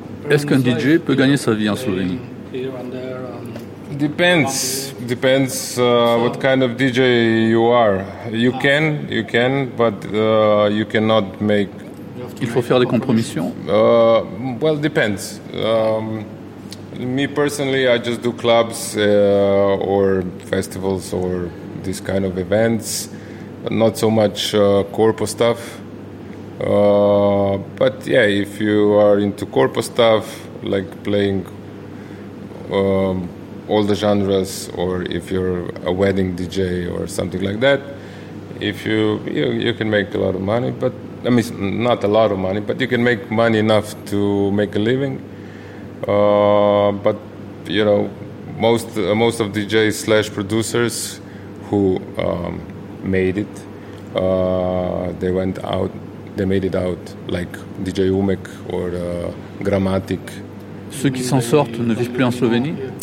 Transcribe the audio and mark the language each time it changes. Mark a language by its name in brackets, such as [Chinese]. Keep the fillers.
[French] Est-ce qu'un DJ peut gagner sa vie en Slovénie? Um, [English] depends. Depends uh, what kind of DJ you are. You ah. can, you can, but uh, you cannot make [French] Il faut faire compromissions. Des compromissions. [English] Uh, well, depends. Um, me personally, I just do clubs uh, or festivals or this kind of events. Not so much uh, corporate stuff. but yeah, if you are into corporate stuff, like playing um, all the genres, or if you're a wedding DJ or something like that, if you you, you can make a lot of money, but. I mean, not a lot of money, but you can make money enough to make a living. Uh, but you know, most uh, most of DJs slash producers who um, made it, uh, they went out, they made it out, like DJ Umek or uh, Grammatic. [French] Ceux qui s'en sortent ne vivent plus en Slovénie.